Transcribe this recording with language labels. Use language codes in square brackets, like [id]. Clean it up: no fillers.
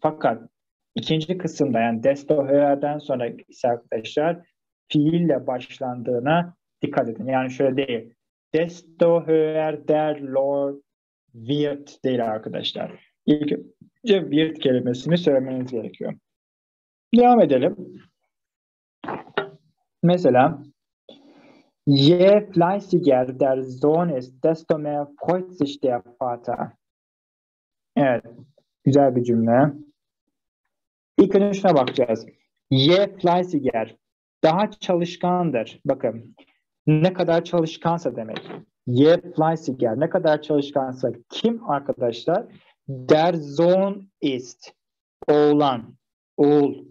[tr] Fakat ikinci kısımda, yani desto höher'den sonra ise arkadaşlar fiille başlandığına dikkat edin. Yani şöyle değil. [de] Desto höher der Lord wird [tr] değil arkadaşlar. İlk önce wird kelimesini söylemeniz gerekiyor. Devam edelim. [de] Mesela Je fleißiger der Sohn ist, desto mehr freut sich der Vater. [tr] Evet. Güzel bir cümle. İlk önce şuna bakacağız. Je fleißiger. Daha çalışkandır. Bakın. Ne kadar çalışkansa demek. Je fleißiger. Ne kadar çalışkansa kim arkadaşlar? [de] Der Sohn ist. [tr] Oğlan. Oğul.